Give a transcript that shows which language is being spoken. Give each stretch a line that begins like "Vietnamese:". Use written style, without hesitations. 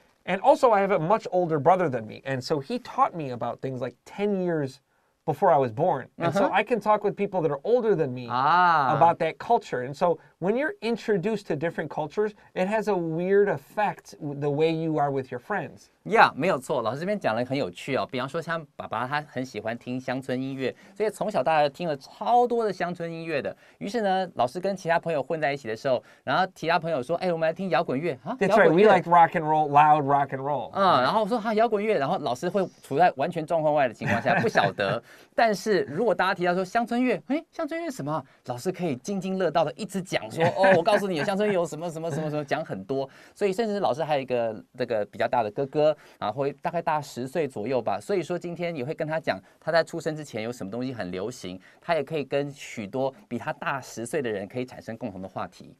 English: And also, I have a much older brother than me. And so he taught me about things like 10 years before I was born. Uh-huh. And so I can talk with people that are older than me about that culture. And so when you're introduced to different cultures, it has a weird effect the way you are with your friends.
Chinese: Yeah, 没有错。老师这边讲了很有趣哦。比方说像爸爸他很喜欢听乡村音乐，所以从小到大听了超多的乡村音乐的。于是呢，老师跟其他朋友混在一起的时候，然后其他朋友说，哎，我们来听摇滚乐。
English: That's right, we like rock and roll, loud rock and roll.
Chinese: 然后说摇滚乐，然后老师会处在完全状况外的情况下，不晓得。但是如果大家提到说乡村乐，哎，乡村乐什么？老师可以津津乐道的一直讲说，哦，我告诉你，乡村有什么什么什么什么，讲很多。所以甚至老师还有一个这个比较大的哥哥。啊，会大概大十岁左右吧，所以说今天也会跟他讲他在出生之前有什么东西很流行，他也可以跟许多比他大十岁的人可以产生共同的话题。